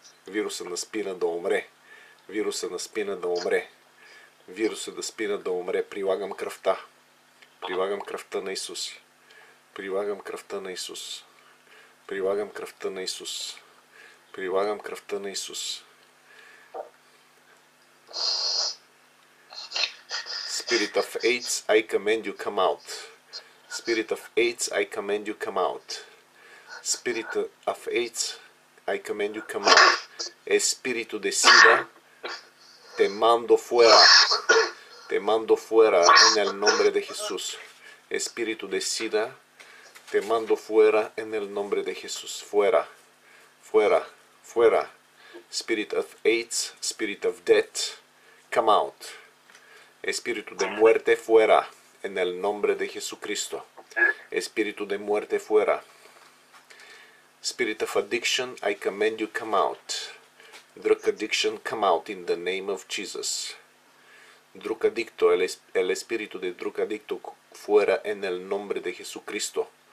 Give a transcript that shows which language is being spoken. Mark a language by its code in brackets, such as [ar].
[bg] Вируса на спина да умре. Вируса на спина да умре. Вируса на спина да умре. Прилагам кръвта. Прилагам кръвта на Исус. Прилагам кръвта на Исус. Прилагам кръвта на Исус. Прилагам кръвта на Исус. [en] Spirit of AIDS, I command you come out. Spirit of AIDS, I command you come out. Spirit of AIDS, I command you come out. [es] Espíritu de SIDA, te mando fuera. Te mando fuera en el nombre de Jesús. Espíritu de SIDA, te mando fuera en el nombre de Jesús. Fuera, fuera, fuera. [en] Spirit of AIDS, Spirit of Death, come out. [es] Espíritu de muerte fuera en el nombre de Jesucristo. Espíritu de muerte fuera. [en] Spirit of addiction, I command you come out. Drug addiction, come out in the name of Jesus. [es] Drug addicto, el espíritu de drug addicto fuera en el nombre de Jesucristo.